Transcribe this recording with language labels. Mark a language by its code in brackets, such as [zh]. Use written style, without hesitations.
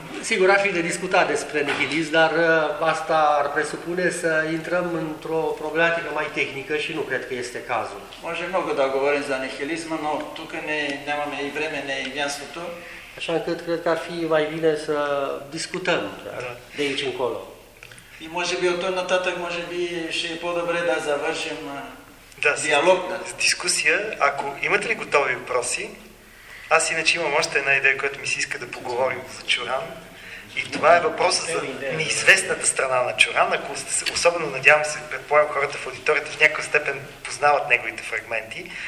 [ro] Sigur, ar fi de discutat despre nihilism, dar asta ar presupune să intrăm într-o problematică mai tehnică și nu cred că este cazul. [bg] Може много да говорим за nihilism, но тук не нямаме и време, не и мястото. [ro] Așa încât cred că ar fi mai bine să discutăm de aici încolo. [bg] И може би от той нататък, може би ще е по-добре да завършим Да, диалог, с дискусия. Ако имате ли готови въпроси, аз иначе имам още една идея, която ми се иска да поговорим за Чуран. И това е въпросът за неизвестната страна на Чуран. Ако особено надявам се, предполагам хората в аудиторията в някаква степен познават неговите фрагменти.